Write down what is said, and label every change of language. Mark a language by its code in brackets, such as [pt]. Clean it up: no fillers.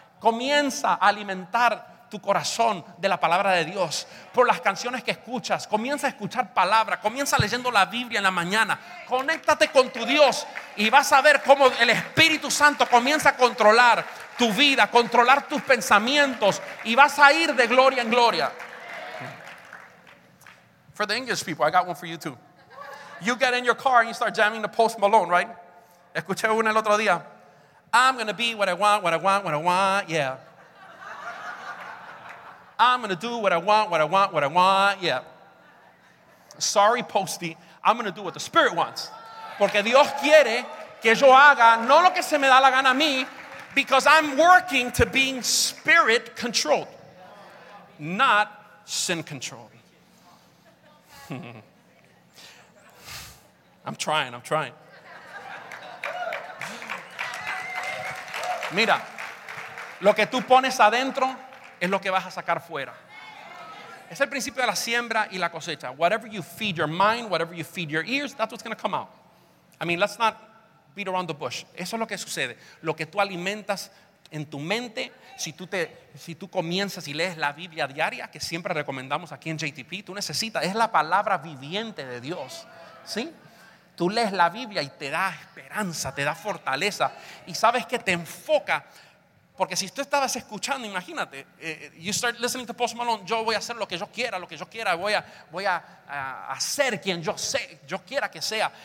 [es] Comienza a alimentar tu corazón de la palabra de Dios por las canciones que escuchas. Comienza a escuchar palabra, comienza leyendo la Biblia en la mañana. Conéctate con tu Dios y vas a ver cómo el Espíritu Santo comienza a controlar tu vida, controlar tus pensamientos, y vas a ir de gloria en gloria. [en] For the English people, I got one for you too. You get in your car and you start jamming to Post Malone, right? [es] Escuché una el otro día. [en] I'm gonna be what I want, what I want, what I want, yeah. I'm gonna do what I want, what I want, what I want, yeah. Sorry, Posty. I'm gonna do what the Spirit wants. [es] Porque Dios quiere que yo haga no lo que se me da la gana a mí. [en] Because I'm working to being spirit controlled, not sin controlled. I'm trying. [es] Mira, lo que tú pones adentro es lo que vas a sacar fuera. Es el principio de la siembra y la cosecha. [en] Whatever you feed your mind, whatever you feed your ears, that's what's going to come out. I mean, let's not beat around the bush. [es] Eso es lo que sucede. Lo que tú alimentas en tu mente, si tú comienzas y lees la Biblia diaria, que siempre recomendamos aquí en JTP, tú necesitas, es la palabra viviente de Dios, ¿sí? Tú lees la Biblia y te da esperanza, te da fortaleza, y sabes que te enfoca, porque si tú estabas escuchando, imagínate, [en] you start listening to Post Malone, [es] yo voy a hacer lo que yo quiera, voy a ser quien yo quiera que sea.